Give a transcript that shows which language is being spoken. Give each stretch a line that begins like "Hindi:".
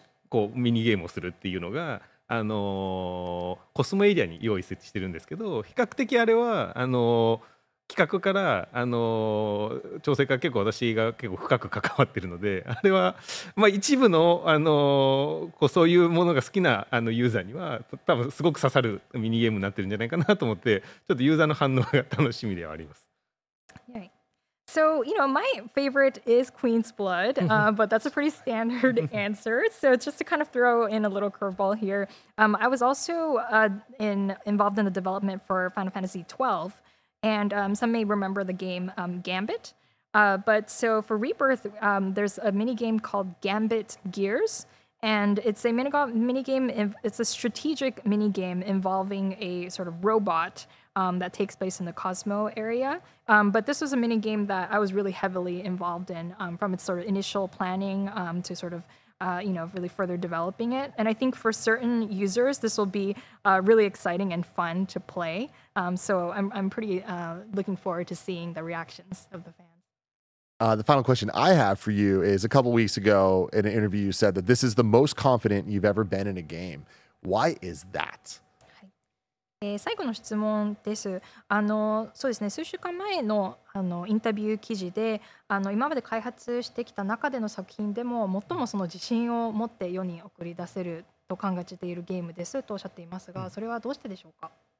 Japanese: こうミニゲームをするっていうのがコスモエリアに用意設置してるんですけど、比較的あれは企画から調整から結構私が結構深く関わってるので、あれは、まあ、一部のこうそういうものが好きなユーザーには多分すごく刺さるミニゲームになってるんじゃないかなと思って、ちょっとユーザーの反応が楽しみではあります。
English: はい、So, you know, my favorite is Queen's Blood, but that's a pretty standard answer. So just to kind of throw in a little curveball here, I was also involved in the development for Final Fantasy XII, and some may remember the game Gambit. But so for Rebirth, there's a mini game called Gambit Gears, and it's a mini game. It's a strategic mini game involving a sort of robot that takes place in the Cosmo area. But this was a mini game that I was really heavily involved in from its sort of initial planning to sort of, you know, really further developing it. And I think for certain users, this will be really exciting and fun to play. So I'm pretty looking forward to seeing the reactions of the fans. The final question I have for you is, a couple weeks ago in an interview, you said that this is the most confident you've ever been in a game. Why is that?
Japanese: 最後の質問です。そうですね、数週間前 の, インタビュー記事で今まで開発してきた中での作品でも最もその自信を持って世に送り出せると考えているゲームですとおっしゃっていますが、それはどうしてでしょうか？